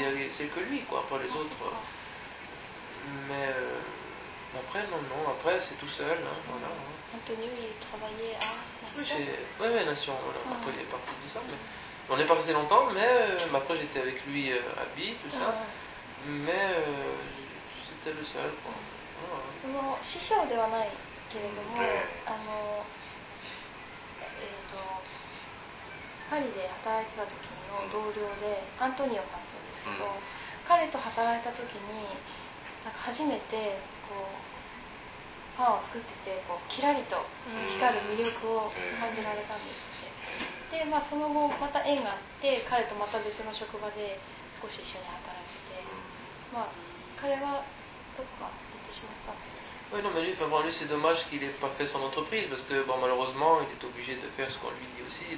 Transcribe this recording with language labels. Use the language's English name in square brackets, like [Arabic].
[French] C'est que lui, quoi, pas les autres. Mais après, non, après, c'est tout seul. Hein, voilà. Antonio, il travaillait à Nation. Oui, Nation, voilà. Après, il est parti de ça, mais... On n'est pas resté longtemps, mais après j'étais avec lui à Bi, tout ça. Mais c'était le seul. [Japanese] その師匠ではないけれども、あのパリで働いてた時の同僚でアントニオさんというんですけど、彼と働いた時になんか初めてこうパンを作っててこうキラリと光る魅力を感じられたんです。で、まあ、その後また縁があって彼とまた別の職場で少し一緒に働いて、まあ、彼はどこか行ってしまったんです。 [French] Oui, non, mais lui, enfin, bon, lui, c'est dommage qu'il ait pas fait son entreprise parce que, bon, malheureusement, il est obligé de faire ce qu'on lui dit aussi.